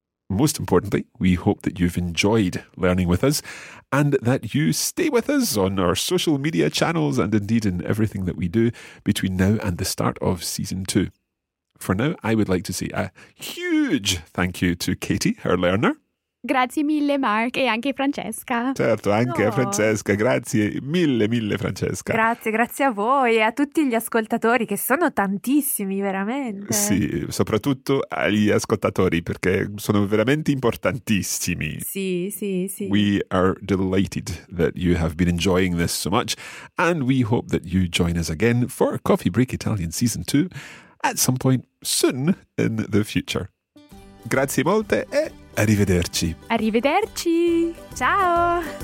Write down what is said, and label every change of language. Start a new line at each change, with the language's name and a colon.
English: Most importantly, we hope that you've enjoyed learning with us and that you stay with us on our social media channels and indeed in everything that we do between now and the start of season two. For now, I would like to say a huge thank you to Katie, our learner.
Italian: Grazie mille, Mark, e anche Francesca. Certo, anche Francesca. Grazie mille, mille, Francesca. Grazie, grazie a voi e a tutti gli ascoltatori, che sono tantissimi, veramente. Sì, soprattutto agli ascoltatori, perché sono veramente importantissimi. Sì, sì, sì.
English: We are delighted that you have been enjoying this so much, and we hope that you join us again for Coffee Break Italian Season 2 at some point soon in the future.
Italian: Grazie molte e... arrivederci. Arrivederci. Ciao.